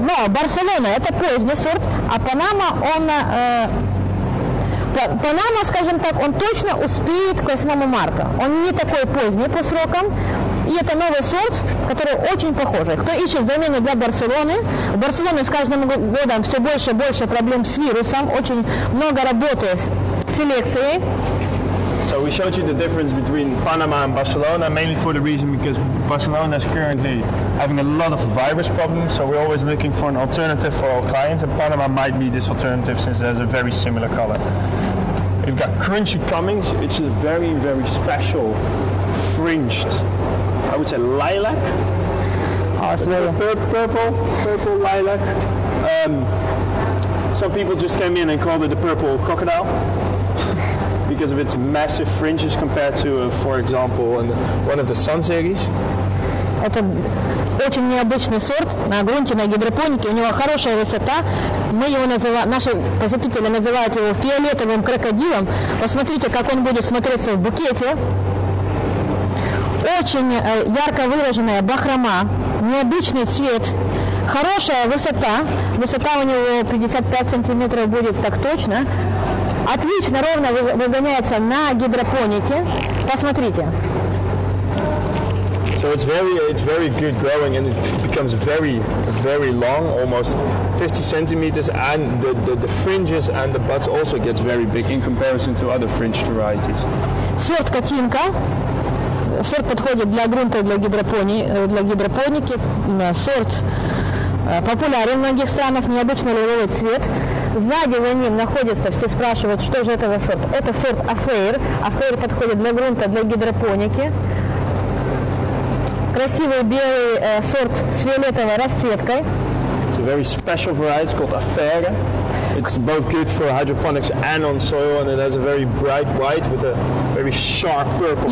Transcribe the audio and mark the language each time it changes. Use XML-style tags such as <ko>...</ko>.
<ru>Но Барселона это поздний сорт, а Панама он Панама, скажем так, он точно успеет к 8 марта. Он не такой поздний по срокам. И это новый сорт, который очень похожий. Кто ищет замену для Барселоны? В Барселоне с каждым годом все больше и больше проблем с вирусом. Очень много работы с селекцией.</ru> <en>So we showed you the difference between Panama and Barcelona, mainly for the reason because Barcelona is currently having a lot of virus problems, so we're always looking for an alternative for our clients, and Panama might be this alternative since it has a very similar color. We've got Crunchy Cummings, which is a very, very special fringed, I would say lilac, purple lilac. Some people just came in and called it the purple crocodile. Because of its massive fringes compared to, for example, one of the Sun series.</en> <ru>Это очень необычный сорт на грунте, на гидропонике. У него хорошая высота. Мы его называем, наши посетители называют его фиолетовым крокодилом. Посмотрите, как он будет смотреться в букете. Очень ярко выраженная бахрома, необычный цвет, хорошая высота. Высота у него 55 сантиметров будет так точно. Отлично, ровно выгоняется на гидропонике. Посмотрите.</ru> <en>So it's very good growing and it becomes very, very long, almost 50 centimeters, and the fringes and the buds also gets very big in comparison to other fringed varieties.</en> <ru>Сорт Катинка. Сорт подходит для грунта, для гидропонии, для гидропоники. Сорт популярен в многих странах, необычный лиловый цвет. Сзади за ним находится, все спрашивают, что же это за сорт. Это сорт Affair. Affair подходит для грунта, для гидропоники. Красивый белый сорт с фиолетовой расцветкой.</ru> <en>It's a very special variety. It's called Affaire. It's both good for hydroponics and on soil, and it has a very bright white with a very sharp purple.</en>